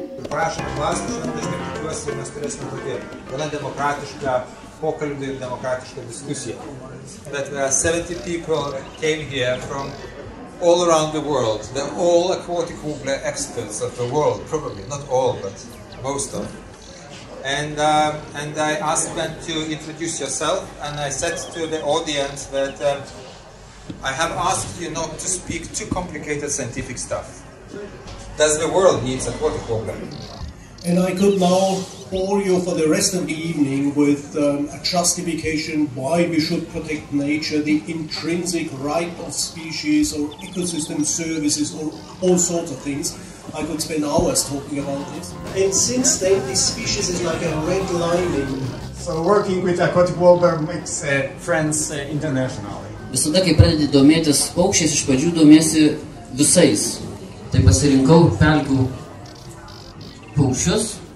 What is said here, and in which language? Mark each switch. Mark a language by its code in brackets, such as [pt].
[lt] prašom klausti, aš tikiuosi, mes turėsime tokį gana demokratišką pokalbį ir demokratišką diskusiją. [en] That 70 people came here from all around the world. They're all aquatic warbler experts of the world, probably. Not all, but most of them. And I asked them to introduce yourself, and I said to the audience that I have asked you not to speak too complicated scientific stuff. Does the world need a water program? And I could now bore you for the rest of the evening with a justification why we should protect nature, the intrinsic right of species or ecosystem services or all sorts of things. I could spend hours talking about this. And since then, this species is like a red lining. So working with aquatic warbler makes friends internationally. [lt] Visada, kai pradedi domėtis paukščiais, iš pradžių domėsi visais. Tai pasirinkau pelkių paukščius.